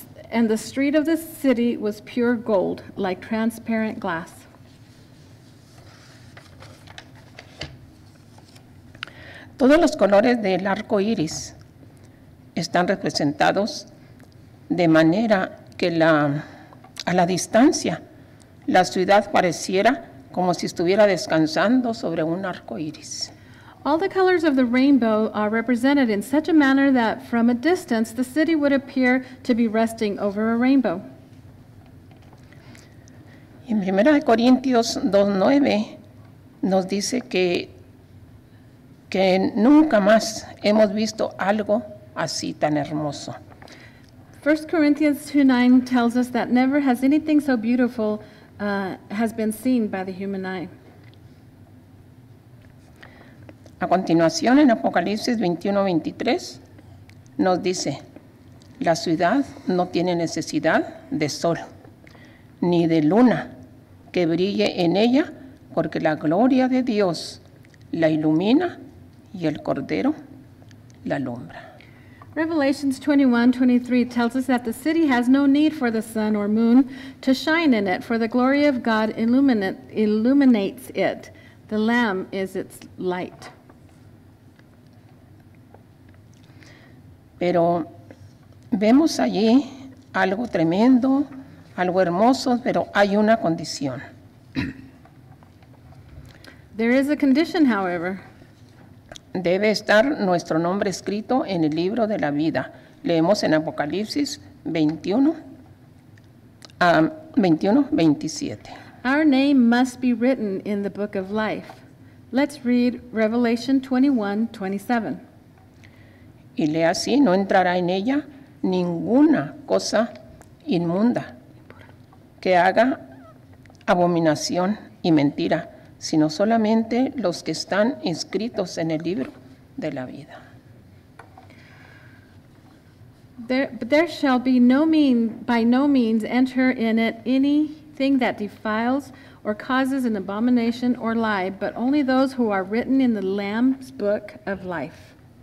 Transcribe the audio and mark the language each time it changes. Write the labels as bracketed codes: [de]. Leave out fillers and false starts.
[en] And the street of the city was pure gold, like transparent glass. [es] Todos los colores del arco iris están representados de manera que a la distancia la ciudad pareciera como si estuviera descansando sobre un arco iris. [en] All the colors of the rainbow are represented in such a manner that from a distance the city would appear to be resting over a rainbow. [es] En 1 Corintios 2:9 nos dice que nunca más hemos visto algo así tan hermoso. [en] 1 Corinthians 2:9 tells us that never has anything so beautiful has been seen by the human eye. [es] A continuación, en Apocalipsis 21:23, nos dice, la ciudad no tiene necesidad de sol, ni de luna que brille en ella, porque la gloria de Dios la ilumina y el Cordero la alumbra. [en] Revelations 21:23 tells us that the city has no need for the sun or moon to shine in it, for the glory of God illuminates it. The Lamb is its light. [es] Pero vemos allí algo tremendo, algo hermoso, pero hay una condición. [en] There is a condition, however. [es] Debe estar nuestro nombre escrito en el libro de la vida. Leemos en Apocalipsis 21:27. [en] Our name must be written in the book of life. Let's read Revelation 21:27. [es] Y lea así, no entrará en ella ninguna cosa inmunda que haga abominación y mentira, sino solamente los que están inscritos en el libro de la vida. [en] There shall be by no means enter in it anything that defiles or causes an abomination or lie, but only those who are written in the Lamb's book of life.